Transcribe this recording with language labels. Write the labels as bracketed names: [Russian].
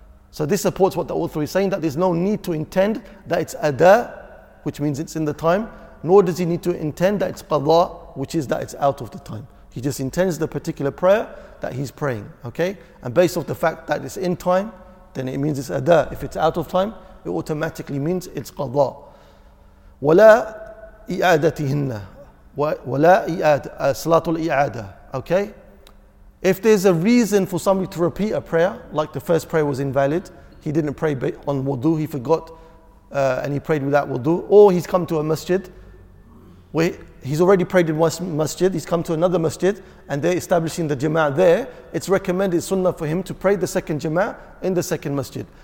[English] So this supports what the author is saying, that there's no need to intend that it's ada, which means it's in the time, nor does he need to intend that it's qadha, which is that it's out of the time. He just intends the particular prayer that he's praying, okay? And based off the fact that it's in time, then it means it's ada. If it's out of time, it automatically means it's qadha. [Arabic] وَلَا إعادتهن ولا إعادة صلاة الإعادة. [English] Okay, if there's a reason for somebody to repeat a prayer, like the first prayer was invalid, he didn't pray on wudu, he forgot, and he prayed without wudu, or he's come to a masjid where he's already prayed in one masjid, he's come to another masjid and they're establishing the jama'ah there, it's recommended sunnah for him to pray the second jama'ah in the second masjid.